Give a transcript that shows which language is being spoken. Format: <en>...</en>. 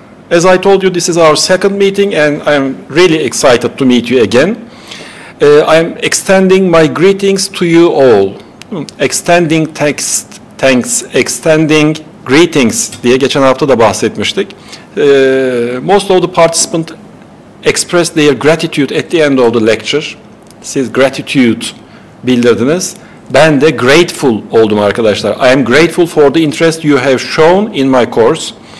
<en>As I told you, this is our second meeting and I'm really excited to meet you again. I'm extending my greetings to you all. Extending thanks, extending greetings</en> <tr>diye geçen hafta da bahsetmiştik.</tr> <en>Most of the participants expressed their gratitude at the end of the lecture.</en> <tr>Siz gratitude bildirdiniz. Ben de grateful oldum arkadaşlar.</tr> <en>I am grateful for the interest you have shown in my course.</en>